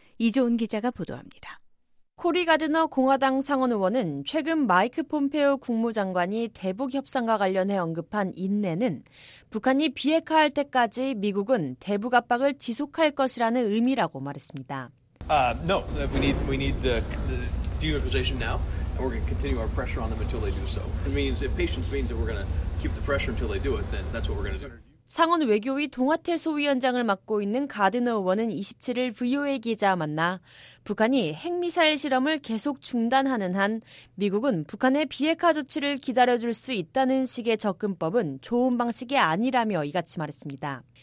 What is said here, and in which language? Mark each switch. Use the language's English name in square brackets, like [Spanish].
[Korean] 이조은 기자가 보도합니다. 코리 가드너 공화당 상원의원은 최근 마이크 폼페오 국무장관이 대북 협상과 관련해 언급한 인내는 북한이 비핵화할 때까지 미국은 대북 압박을 지속할 것이라는 의미라고 말했습니다. [English] No, we need deunification now, and we're going to continue our pressure on them until they do so. It means if patience means that we're going to keep the pressure until they do it, then that's what we're going to do. [Korean] 상원 외교위 동아태 소위원장을 맡고 있는 가드너 의원은 27일 VOA 기자와 만나 북한이 핵미사일 실험을 계속 중단하는 한 미국은 북한의 비핵화 조치를 기다려줄 수 있다는 식의 접근법은 좋은 방식이 아니라며 이같이 말했습니다.